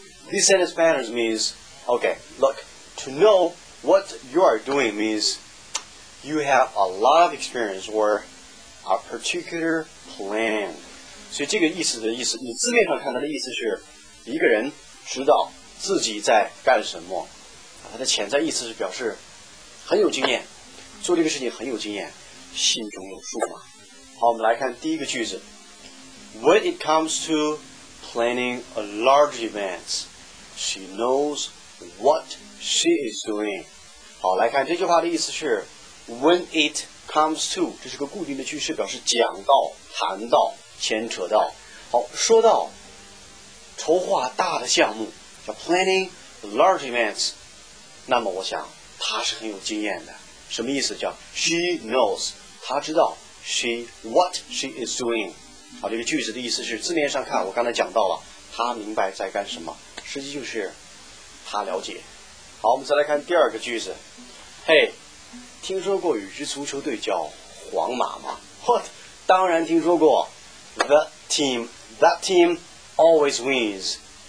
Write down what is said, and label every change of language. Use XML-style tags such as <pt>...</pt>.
<en>This sentence pattern means, okay, look, to know what you are doing means you have a lot of experience or a particular plan.</en> <zh>所以这个意思的意思，你字面上看它的意思是一个人知道自己在干什么，它的潜在意思是表示很有经验，做这个事情很有经验，心中有数嘛。好，我们来看第一个句子。</zh> <en>When it comes to planning a large event, she knows what she is doing.</en> <zh>好，来看这句话的意思是</zh> <en>When it comes to,</en> <zh>这是个固定的句式，表示讲到、谈到、牵扯到。好，说到筹划大的项目叫</zh> <en>planning large events,</en> <zh>那么我想他是很有经验的。什么意思？叫</zh> <en>she knows,</en> <zh>他知道</zh> <en>she what she is doing。</en> <zh>好，这个句子的意思是字面上看，我刚才讲到了，他明白在干什么，实际就是他了解。好，我们再来看第二个句子。Hey, 听说过有支足球队叫皇马吗？</zh> <en>What?</en> <zh>当然听说过。</zh> <en>That team always wins.</en>